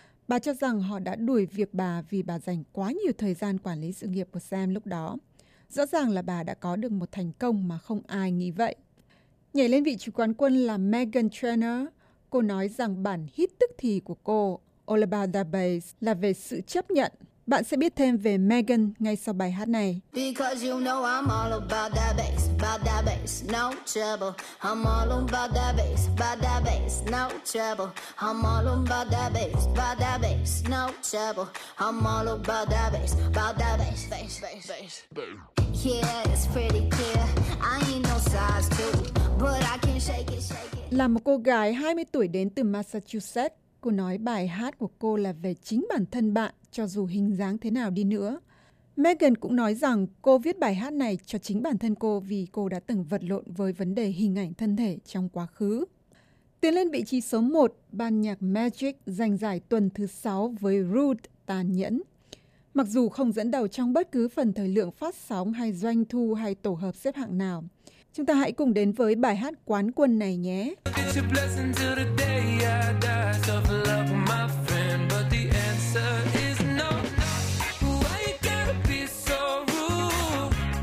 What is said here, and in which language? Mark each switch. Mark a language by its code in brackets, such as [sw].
[vi] Bà cho rằng họ đã đuổi việc bà vì bà dành quá nhiều thời gian quản lý sự nghiệp của Sam lúc đó. Rõ ràng là bà đã có được một thành công mà không ai nghĩ vậy. Nhảy lên vị trí quán quân là Meghan Trainor. Cô nói rằng bản hit tức thì của cô, All About The Bass, là về sự chấp nhận. Bạn sẽ biết thêm về Meghan ngay sau bài hát này. [en] Because you know I'm all about that bass, no trouble. I'm all about that bass, no trouble. I'm all about that bass, no trouble. I'm all about that bass, bass. Yeah, it's pretty clear. I ain't no size 2, but I can shake it, shake it. [vi] Là một cô gái 20 tuổi đến từ Massachusetts. Cô nói bài hát của cô là về chính bản thân bạn, cho dù hình dáng thế nào đi nữa. Meghan cũng nói rằng cô viết bài hát này cho chính bản thân cô vì cô đã từng vật lộn với vấn đề hình ảnh thân thể trong quá khứ. Tiến lên vị trí số 1, ban nhạc Magic giành giải tuần thứ 6 với Rude, Tàn Nhẫn. Mặc dù không dẫn đầu trong bất cứ phần thời lượng phát sóng hay doanh thu hay tổ hợp xếp hạng nào, chúng ta hãy cùng đến với bài hát quán quân này nhé. [en] It's a blessing till the day I die, so for love, my friend, but the answer is no. Why you gotta be so rude?